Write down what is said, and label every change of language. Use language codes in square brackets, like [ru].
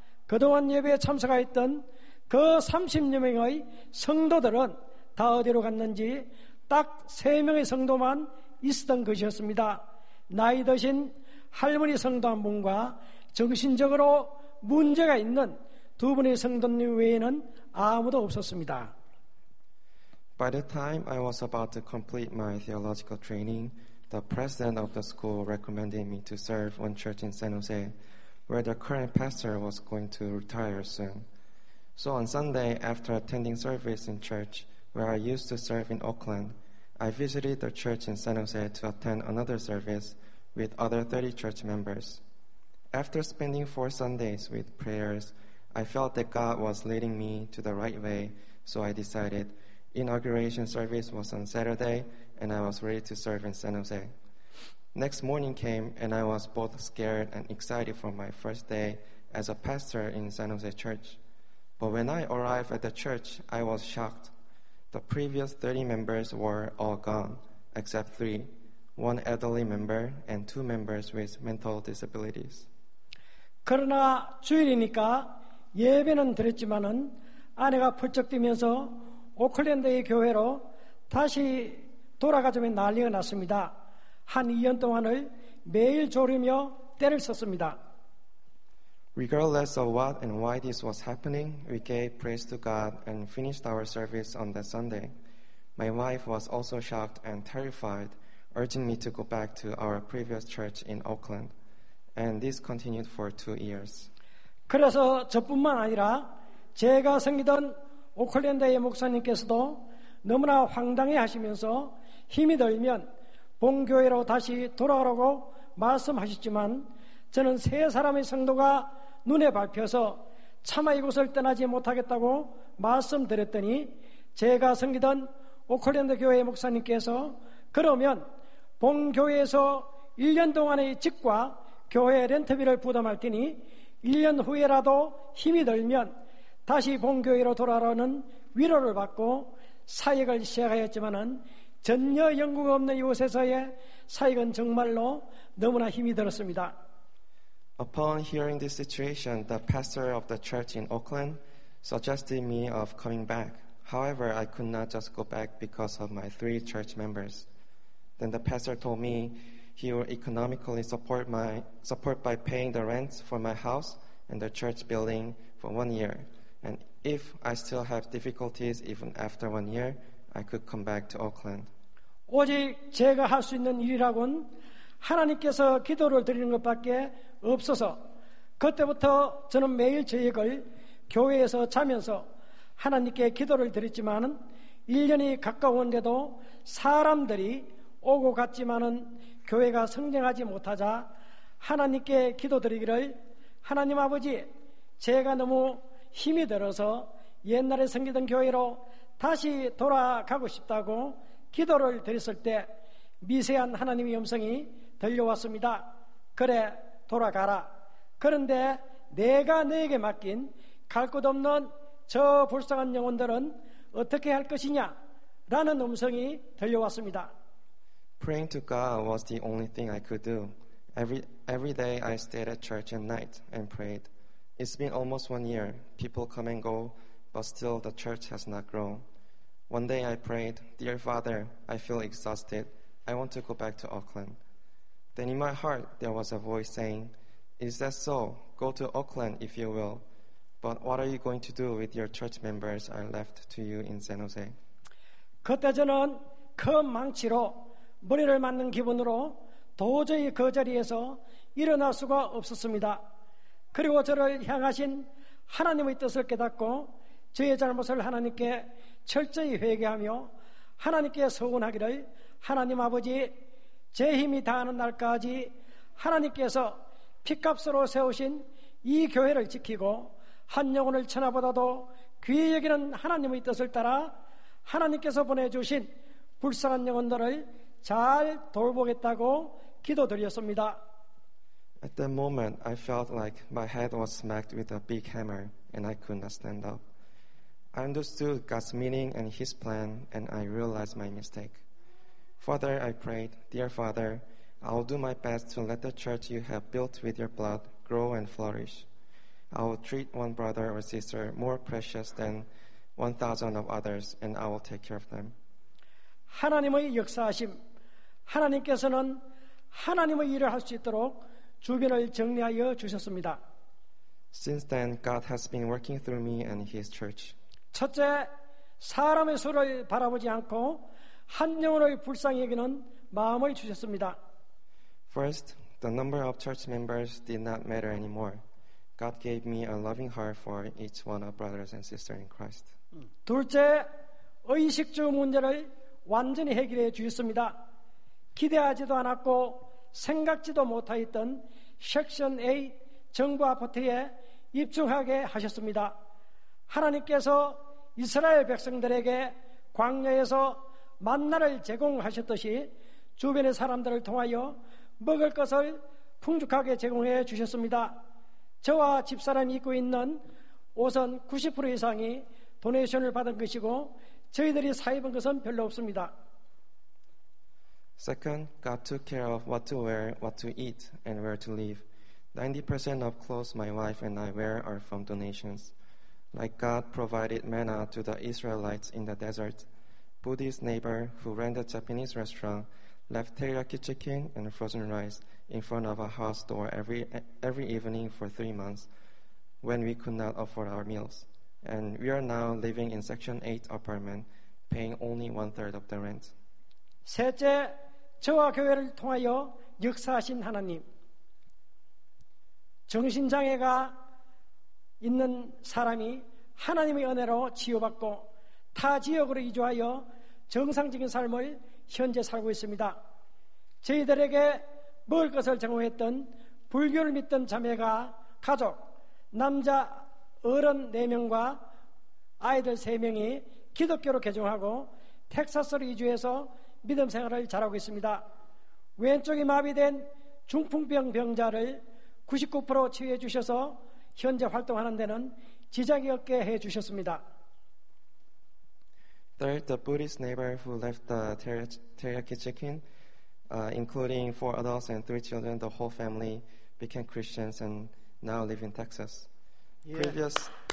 [ko] 그동안 예배에 참석했던 그 30명의 성도들은 다 어디로 갔는지 딱 3명의 성도만 있었던 것이었습니다. 나이 드신 할머니 성도 한 분과 정신적으로 문제가 있는 두 분의 성도님 외에는 아무도 없었습니다. [en] By the time I was about to complete my theological training, the president of the school recommended me to serve one church in San Jose. where the current pastor was going to retire soon. So on Sunday, after attending service in church where I used to serve in Oakland, I visited the church in San Jose to attend another service with other 30 church members. After spending 4 Sundays with prayers, I felt that God was leading me to the right way, so I decided inauguration service was on Saturday, and I was ready to serve in San Jose. Next morning came, and I was both scared and excited for my first day as a pastor in San Jose Church. But when I arrived at the church, I was shocked. The previous 30 members were all gone, except 3, one elderly member and 2 members with mental disabilities. [ko] 그러나 주일이니까 예배는 드렸지만은 아내가 펄쩍 뛰면서 오클랜드의 교회로 다시 돌아가자면 난리가 났습니다. 한 2년 동안을 매일 졸이며 때를 썼습니다. [en] Regardless of what and why this was happening, we gave praise to God and finished our service on that Sunday. My wife was also shocked and terrified, urging me to go back to our previous church in Oakland. And this continued for 2 years. [ko] 그래서 저뿐만 아니라 제가 섬기던 오클랜드의 목사님께서도 너무나 황당해 하시면서 힘이 들면 본교회로 다시 돌아오라고 말씀하셨지만 저는 세 사람의 성도가 눈에 밟혀서 차마 이곳을 떠나지 못하겠다고 말씀드렸더니 제가 섬기던 오클랜드 교회의 목사님께서 그러면 본교회에서 1년 동안의 집과 교회 렌트비를 부담할 테니 1년 후에라도 힘이 들면 다시 본교회로 돌아오라는 위로를 받고 사역을 시작하였지만은 전혀 연구가 없는 이곳에서의 사역은 정말로 너무나 힘이 들었습니다. [en] Upon hearing this situation, the pastor of the church in Oakland suggested me of coming back. However, I could not just go back because of my 3 church members. Then the pastor told me he will economically support by paying the rent for my house and the church building for 1 year. And if I still have difficulties even after 1 year, I could come back to Oakland. [ko] 오직 제가 할 수 있는 일이라곤 하나님께서 기도를 드리는 것밖에 없어서 그때부터 저는 매일 저녁을 교회에서 자면서 하나님께 기도를 드렸지만은 1년이 가까운데도 사람들이 오고 갔지만은 교회가 성장하지 못하자 하나님께 기도드리기를 하나님 아버지 제가 너무 힘이 들어서 옛날에 섬기던 교회로 다시 돌아가고 싶다고 기도를 드렸을 때 미세한 하나님의 음성이 들려왔습니다. 그래 돌아가라. 그런데 내가 너에게 맡긴 갈 곳 없는 저 불쌍한 영혼들은 어떻게 할 것이냐 라는 음성이 들려왔습니다. [en] Praying to God was the only thing I could do. Every day I stayed at church at night and prayed. It's been almost 1 year. People come and go, but still the church has not grown. One day I prayed, Dear Father, I feel exhausted. I want to go back to Oakland. Then in my heart there was a voice saying, Is that so? Go to Oakland if you will. But what are you going to do with your church members I left to you in San Jose? [ko] 그때 저는 그 망치로 머리를 맞는 기분으로 도저히 그 자리에서 일어날 수가 없었습니다. 그리고 저를 향하신 하나님의 뜻을 깨닫고 저의 잘못을 하나님께 철저히 회개하며 하나님께 서운하기를 하나님 아버지 제 힘이 다하는 날까지 하나님께서 피값으로 세우신 이 교회를 지키고 한 영혼을 천하보다도 귀히 여기는 하나님의 뜻을 따라 하나님께서 보내주신 불쌍한 영혼들을 잘 돌보겠다고 기도드렸습니다. [en] At that moment, I felt like my head was smacked with a big hammer and I could not stand up. I understood God's meaning and His plan and I realized my mistake. Father, I prayed, Dear Father, I'll do my best to let the church you have built with your blood grow and flourish. I will treat one brother or sister more precious than 1,000 of others and I will take care of them. [ko] 하나님의 역사하심, 하나님께서는 하나님의 일을 할 수 있도록 주변을 정리하여 주셨습니다. [en] Since then, God has been working through me and His church. [ko] 첫째, 사람의 수를 바라보지 않고 한 영혼을 불쌍히 여기는 마음을 주셨습니다. [en] First, The number of church members did not matter anymore. God gave me a loving heart for each one of brothers and sisters in Christ. [ko] 둘째, 의식주 문제를 완전히 해결해 주셨습니다. 기대하지도 않았고 생각지도 못하였던 섹션 A 정부 아파트에 입주하게 하셨습니다. 하나님께서 이스라엘 백성들에게 광야에서 만나를 제공하셨듯이 주변의 사람들을 통하여 먹을 것을 풍족하게 제공해 주셨습니다. 저와 집사람이 입고 있는 옷은 90% 이상이 도네이션을 받은 것이고 저희들이 사입은 것은 별로 없습니다. [en] Second, God took care of what to wear, what to eat, and where to live. 90% of clothes my wife and I wear are from donations. Like God provided manna to the Israelites in the desert. Buddhist neighbor who ran the Japanese restaurant left teriyaki chicken and frozen rice in front of our house door every evening for 3 months when we could not afford our meals. And we are now living in Section 8 apartment, paying only one-third of the rent. [ko] 셋째, 저와 교회를 통하여 역사하신 하나님. 정신장애가 있는 사람이 하나님의 은혜로 치유받고 타 지역으로 이주하여 정상적인 삶을 현재 살고 있습니다. 저희들에게 먹을 것을 제공했던 불교를 믿던 자매가 가족, 남자, 어른 4명과 아이들 3명이 기독교로 개종하고 텍사스로 이주해서 믿음 생활을 잘하고 있습니다. 왼쪽이 마비된 중풍병 병자를 99% 치유해 주셔서 현재 활동하는 데는 지장이 없게 해 주셨습니다. [en] Third, the Buddhist neighbor who left the teriyaki chicken, including 4 adults and 3 children, the whole family became Christians and now live in Texas. Yeah. Previous.